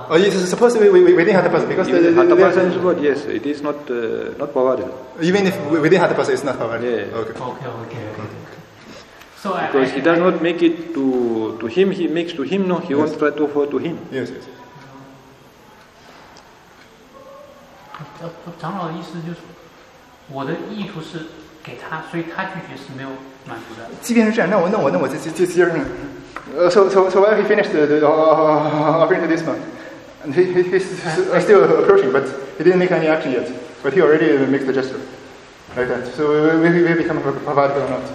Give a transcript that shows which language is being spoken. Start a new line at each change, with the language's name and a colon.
English: Oh, yes, supposedly within Hatapasa. Yes, it is not pavarita. Even if within Hatapasa, it's not pavarita. Yeah. Okay. Because he does not make it to him, he makes to him, no, he won't try to offer to him. Yes, yes.
Chinese: 长老的意思就是，我的意图是给他，所以他拒绝是没有满足的。即便是这样，那我再接着呢。
English: So while he finished offering to this man, and he's still approaching, but he didn't make any action yet. But he already makes the gesture. Like that. So we become a pavarita or not?